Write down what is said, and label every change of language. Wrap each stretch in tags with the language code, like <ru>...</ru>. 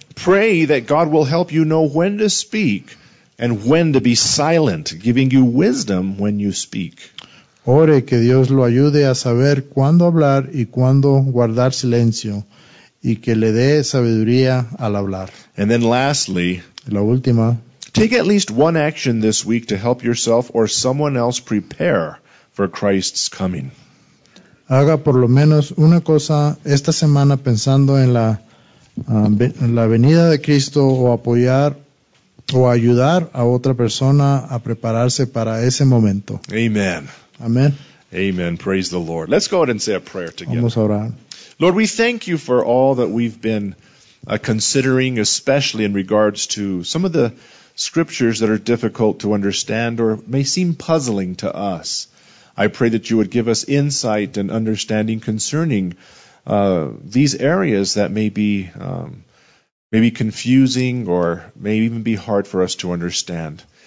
<en>pray that God will help you know when to speak and when to be silent, giving you wisdom when you speak.</en> <es>Ore que Dios lo ayude a saber cuándo hablar y cuándo guardar silencio, y que le dé sabiduría al hablar.</es> <en>And then lastly,</en> <es>la última,</es> <en>take at least one action this week to help yourself or someone else prepare for Christ's coming.</en> <es>Haga por lo menos una cosa esta semana pensando en la venida de Cristo, o apoyar o ayudar a otra persona a prepararse para ese momento.</es> <en>Amen.</en> <es>Amen.</es> <en>Amen. Praise the Lord. Let's go ahead and say a prayer together.</en> <es>Vamos a orar.</es> <en>Lord, we thank you for all that we've been considering, especially in regards to some of the scriptures that are difficult to understand or may seem puzzling to us. I pray that you would give us insight and understanding concerning these areas that may be confusing or may even be hard for us to understand.</en>